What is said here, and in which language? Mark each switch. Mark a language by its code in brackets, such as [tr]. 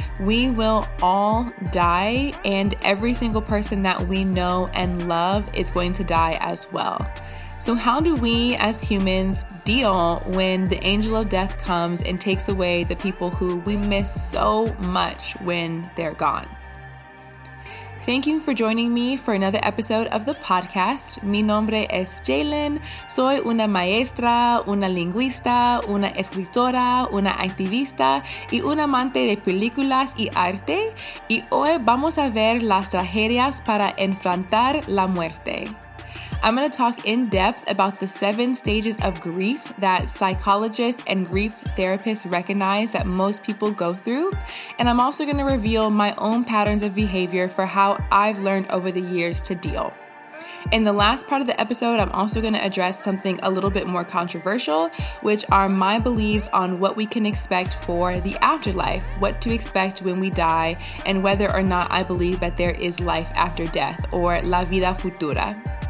[en] We will all die, and every single person that we know and love is going to die as well. So how do we as humans deal when the angel of death comes and takes away the people who we miss so much when they're gone? Thank you for joining me for another episode of the podcast. [es] Mi nombre es Jaylen. Soy una maestra, una lingüista, una escritora, una activista y un amante de películas y arte. Y hoy vamos a ver las tragedias para enfrentar la muerte. [en] I'm going to talk in depth about the 7 stages of grief that psychologists and grief therapists recognize that most people go through. And I'm also going to reveal my own patterns of behavior for how I've learned over the years to deal. In the last part of the episode, I'm also going to address something a little bit more controversial, which are my beliefs on what we can expect for the afterlife, what to expect when we die, and whether or not I believe that there is life after death, or [es] la vida futura.